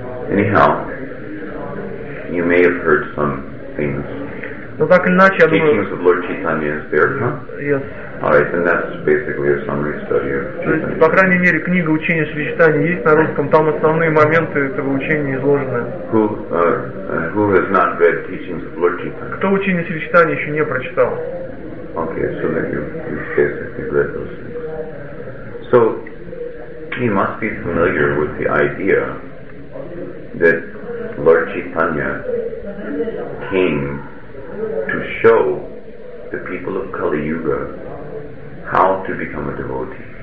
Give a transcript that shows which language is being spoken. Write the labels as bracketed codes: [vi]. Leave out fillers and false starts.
[en] Anyhow, you may have heard some things. [ru] Но так или иначе, я думаю. [en] Teachings of Lord Chaitanya is there, huh? Yes. All right, then that's basically a summary study of Chaitanya. [ru] По крайней мере, книга учения Шри Чайтаньи есть на русском. Там основные моменты этого учения изложены. [en] Who has not read teachings of Lord Chaitanya? [ru] Кто учение Шри Чайтаньи еще не прочитал? [en] Okay, so then you basically read those things. So he must be familiar with the idea that Lord Chaitanya came to show the people of Kali Yuga how to become a devotee.